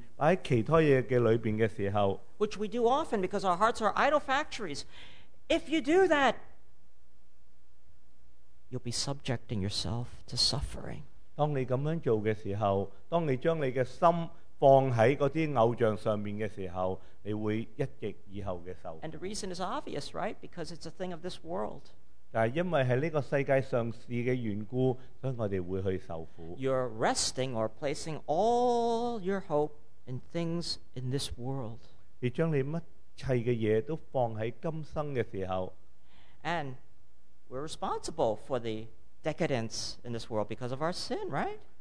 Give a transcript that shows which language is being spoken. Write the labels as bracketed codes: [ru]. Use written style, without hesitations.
[yue] 當你將你最終嘅盼望唔係擺喺神嘅裏邊，擺喺其他嘢嘅裏邊嘅時候， [en] which we do often because our hearts are idol factories. If you do that, you'll be subjecting yourself to suffering. [yue] 當你咁樣做嘅時候，當你將你嘅心放喺嗰啲偶像上面嘅時候，你會一極以後嘅受苦。 [en] And the reason is obvious, right? Because it's a thing of this world. [yue] 但係因為喺呢個世界上事嘅緣故，所以我哋會去受苦。 [en] You're resting or placing all your hope in things in this world. [yue] 你將你乜砌嘅嘢都放喺今生嘅時候。 [en] And we're responsible for the decadence in this world because of our sin, right?